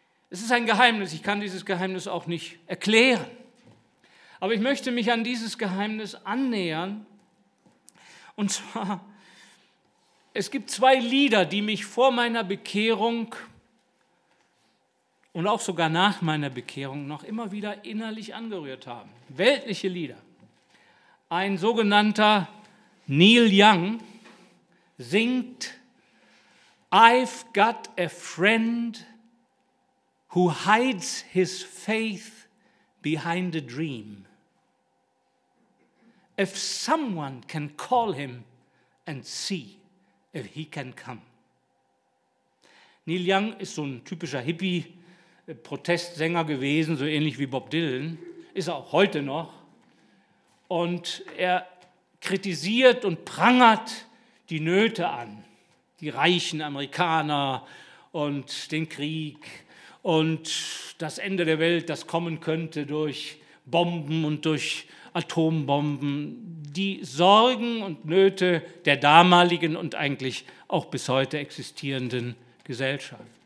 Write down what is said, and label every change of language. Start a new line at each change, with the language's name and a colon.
German: Es ist ein Geheimnis, ich kann dieses Geheimnis auch nicht erklären. Aber ich möchte mich an dieses Geheimnis annähern. Und zwar, es gibt zwei Lieder, die mich vor meiner Bekehrung und auch sogar nach meiner Bekehrung noch immer wieder innerlich angerührt haben. Weltliche Lieder. Ein sogenannter Neil Young singt,
English: I've got a friend who hides his faith behind a dream. If someone can call him and see if he can come.
German: Neil Young ist so ein typischer Hippie-Protestsänger gewesen, so ähnlich wie Bob Dylan, ist er auch heute noch. Und er kritisiert und prangert die Nöte an, die reichen Amerikaner und den Krieg und das Ende der Welt, das kommen könnte durch Bomben und durch Atombomben, die Sorgen und Nöte der damaligen und eigentlich auch bis heute existierenden Gesellschaft.